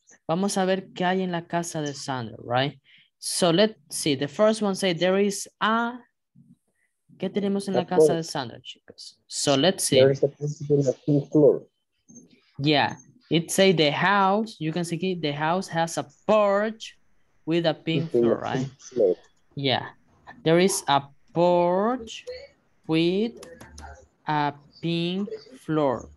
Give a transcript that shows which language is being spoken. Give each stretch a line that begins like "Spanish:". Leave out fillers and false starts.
Spanish: Vamos a ver qué hay en la casa de Sandra, right?
English: So let's see. The first one says there is a...
Spanish: ¿Qué tenemos en la casa de Sandra, chicos?
English: So let's see. There is a principal in the pink floor. Yeah. It says the house, you can see the house has a porch with a pink floor, right? Yeah. There is a porch with a pink floor.